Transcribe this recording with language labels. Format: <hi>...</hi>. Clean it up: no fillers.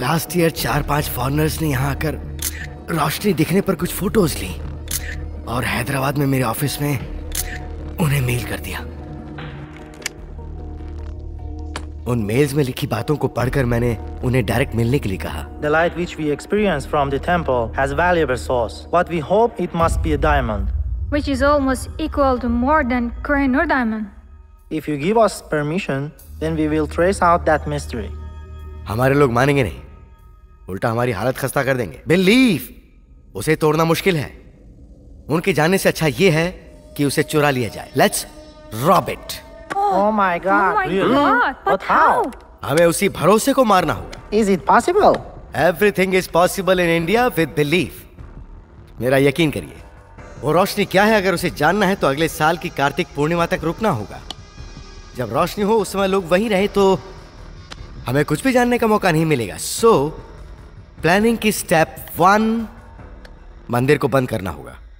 <hi>Last year 4-5 foreigners ने यहाँ आकर रोशनी दिखने पर कुछ फोटोज ली और हैदराबाद में मेरे ऑफिस में उन्हें मेल कर दिया। उन मेल्स में लिखी बातों को पढ़कर मैंने उन्हें डायरेक्ट मिलने के लिए कहा।</hi> <en>The light which we experience from the temple has valuable source. What we hope it must be a diamond, which is almost equal to more than Kohinoor diamond. If you give us permission, then we will trace out that mystery.</en> <hi>हमारे लोग मानेंगे नहीं, उल्टा हमारी हालत खस्ता कर देंगे। बिलीव उसे तोड़ना मुश्किल है, उनके जाने से अच्छा ये है कि उसे चुरा लिया जाए।</hi> <en>Let's rob it.</en> <hi>हमें उसी भरोसे को मारना होगा।</hi> <en>Is it possible? Everything is possible in India with belief.</en> <hi>मेरा यकीन करिए। वो रोशनी क्या है अगर उसे जानना है तो अगले साल की कार्तिक पूर्णिमा तक रुकना होगा। जब रोशनी हो उस समय लोग वहीं रहे तो हमें कुछ भी जानने का मौका नहीं मिलेगा।</hi> <en>So, planning</en> <hi>की</hi> <en>step one,</en> <hi>मंदिर को बंद करना होगा।</hi>